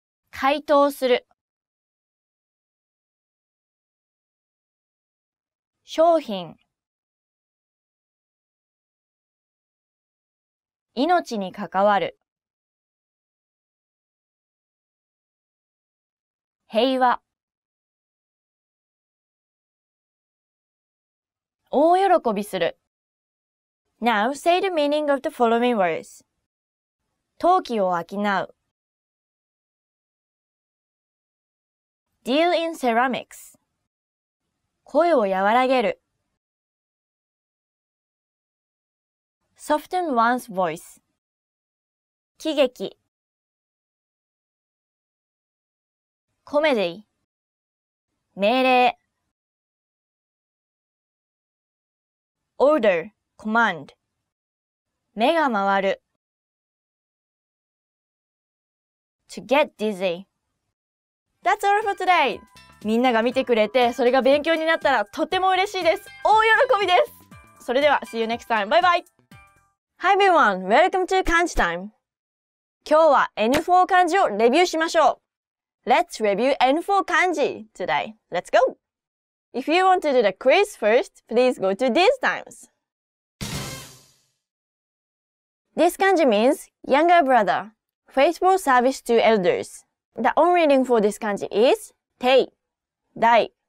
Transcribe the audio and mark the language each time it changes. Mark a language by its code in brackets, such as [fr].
[ja] 回答する商品命に関わる平和大喜びする [en] Now, say the meaning of the following words. [ja] 陶器を商う [en] Deal in ceramics. [ja] 声を和らげる [en] Soften one's voice. [ja] 喜劇 [en] Comedy. [ja] 命令 [en] Order, command. [ja] 目が回る。 [en] To get dizzy. That's all for today. [ja] みんなが見てくれて、それが勉強になったらとても嬉しいです。大喜びです。それでは、 [en] See you next time. Bye bye. Hi everyone. Welcome to Kanji Time. [ja] 今日は N4 漢字をレビューしましょう。 [en] Let's review N4 kanji today. Let's go! If you want to do the quiz first, please go to these times. This kanji means younger brother, faithful service to elders. The on reading for this kanji is tei, dai.